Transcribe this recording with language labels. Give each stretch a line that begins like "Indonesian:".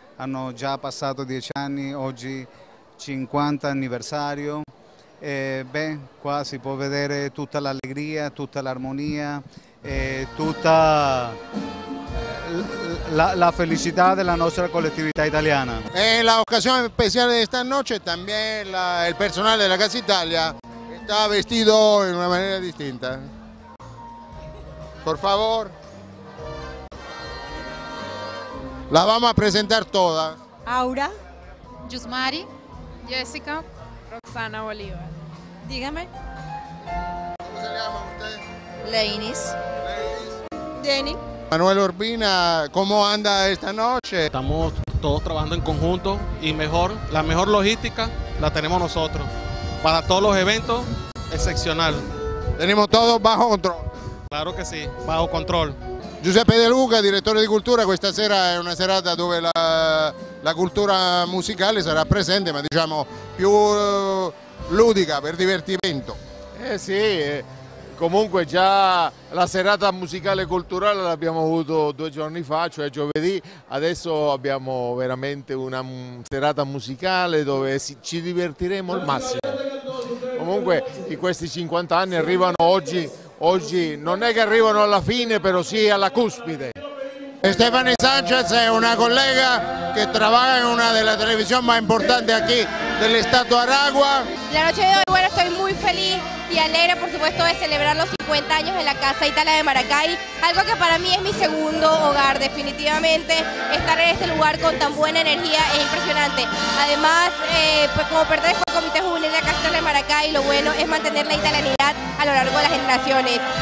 Italian: Hanno già passato 10 anni, oggi 50 anniversario. Beh, qua si può vedere tutta l'allegria, tutta l'armonia, tutta la felicità
Spanish: de la nuestra colectividad italiana. La ocasión especial de esta noche también el personal de la Casa Italia. Está vestido de una manera distinta. Por favor. La vamos a presentar toda. Aura. Yusmari. Jessica. Roxana Bolívar. Dígame. ¿Cómo se llama usted? Leinis. Deni. Manuel Urbina, ¿cómo anda esta noche? Estamos todos trabajando en conjunto y mejor, la mejor logística la tenemos nosotros. Para todos los eventos, excepcional. Tenemos todo bajo control. Claro que sí, bajo control.
Italian: Giuseppe De Luca, direttore di cultura, questa sera è una serata dove la cultura musicale sarà presente, ma diciamo più ludica, per divertimento. Sì, comunque già la serata musicale e culturale l'abbiamo avuto 2 giorni fa, cioè giovedì, adesso abbiamo veramente una serata musicale dove ci divertiremo al massimo. Comunque in questi 50 anni arrivano oggi non è che arrivano alla fine, però sì alla cuspide. Stefani Sanchez è una collega che lavora in una delle televisioni più importanti qui dell'Stato Aragua. La notte di oggi,
Spanish: bueno, estoy muy feliz y alegre, por supuesto, de celebrar los 50 años en la Casa Itala de Maracay, algo que para mí es mi segundo hogar, definitivamente. Estar en este lugar con tan buena energía es impresionante. Además, pues como pertenezco al Comité Juvenil de la Casa Itala de Maracay, lo bueno es mantener la italianidad a lo largo de las generaciones.